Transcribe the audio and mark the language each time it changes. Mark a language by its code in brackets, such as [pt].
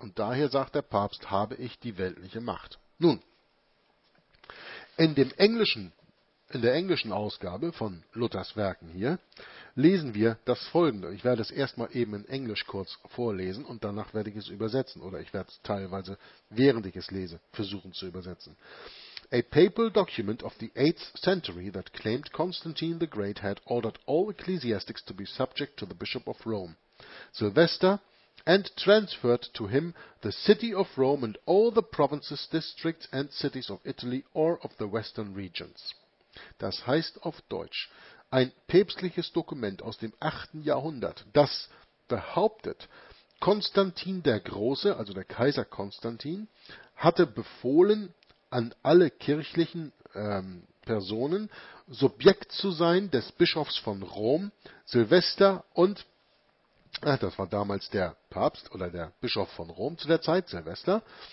[de] Und daher sagt der Papst, habe ich die weltliche Macht. Nun, in der englischen Ausgabe von Luthers Werken hier, lesen wir das Folgende. Ich werde es erstmal eben in Englisch kurz vorlesen und danach werde ich es übersetzen. Oder ich werde es teilweise, während ich es lese, versuchen zu übersetzen. [en] A papal document of the 8th century that claimed Constantine the Great had ordered all ecclesiastics to be subject to the Bishop of Rome, Sylvester, and transferred to him the city of Rome and all the provinces, districts and cities of Italy or of the western regions. [de] Das heißt auf Deutsch, ein päpstliches Dokument aus dem 8. Jahrhundert, das behauptet, Konstantin der Große, also der Kaiser Konstantin, hatte befohlen, an alle kirchlichen Personen Subjekt zu sein des Bischofs von Rom, Sylvester und, das war damals der Papst oder der Bischof von Rom zu der Zeit, Sylvester,